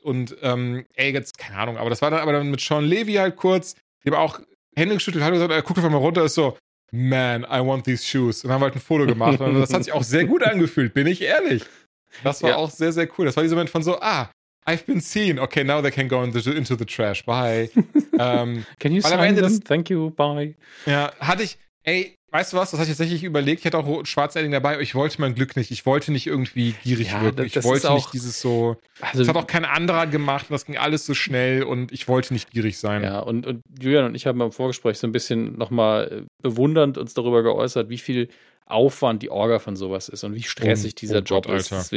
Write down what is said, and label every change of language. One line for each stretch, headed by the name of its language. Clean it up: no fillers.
German: Und jetzt keine Ahnung. Aber das war dann mit Sean Levy halt kurz. Ich habe auch Hände geschüttelt, hat gesagt, guck einfach mal runter, ist so, man,
English: I want these shoes.
German: Und haben halt ein Foto gemacht. Und das hat sich auch sehr gut angefühlt, bin ich ehrlich. Das war auch sehr, sehr cool. Das war dieser Moment von so,
English: I've been seen. Okay, now they can go into the trash. Bye. Can you sign
German: am Ende
English: them? Das, thank you, bye.
German: Ja, hatte ich, weißt du was, das hatte ich tatsächlich überlegt. Ich hatte auch schwarze Edding dabei, aber ich wollte mein Glück nicht. Ich wollte nicht irgendwie gierig wirken. Ich wollte auch, nicht dieses so, also, das hat auch kein anderer gemacht und das ging alles so schnell und ich wollte nicht gierig sein. Ja, und Julian und ich haben im Vorgespräch so ein bisschen nochmal bewundernd uns darüber geäußert, wie viel Aufwand die Orga von sowas ist und wie stressig dieser Job Gott, Alter, ist.